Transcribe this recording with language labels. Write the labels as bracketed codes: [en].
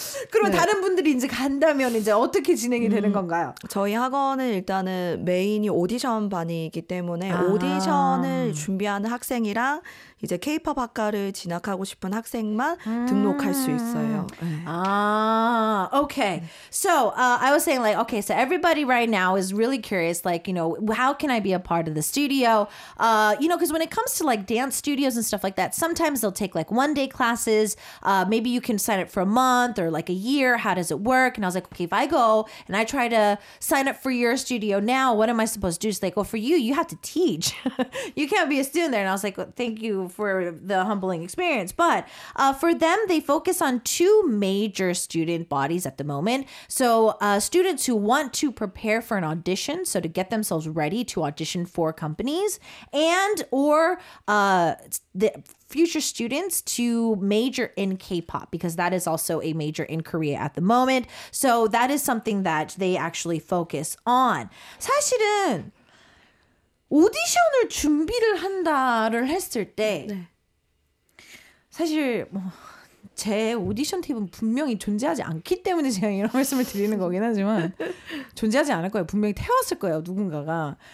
[ko] 그럼 네. 다른 분들이 이제 간다면 이제 어떻게 진행이 되는 건가요? 저희 학원은 일단은 메인이 오디션 반이기 때문에 아. 오디션을 준비하는 학생이랑 이제 K-POP 학과를 진학하고 싶은 학생만 등록할 수 있어요. 아, okay. [en] So I was saying like, okay, so everybody right now is really curious, like, you know, how can I be a part of the studio? You know, because when it comes to like dance studios and stuff like that, sometimes they'll take like one day classes. Maybe you can sign up for a month or like a year. How does it work? And I was like, okay, if I go and I try to sign up for your studio now, what am I supposed to do? It's like, well, for you, you have to teach. You can't be a student there. And I was like, well, thank you for the humbling experience. But for them, they focus on two major student bodies at the moment. So students who want to prepare for an audition, so to get themselves ready to audition for companies, and or the future students to major in K-pop, because that is also a major in Korea at the moment. So that is something that they actually focus on. [ko] 사실은 오디션을 준비를 한다를 했을 때 네. 사실 뭐 제 오디션 팁은 분명히 존재하지 않기 때문에 제가 이런 말씀을 드리는 거긴 하지만 존재하지 않을 거예요. 분명히 태웠을 거예요. 누군가가.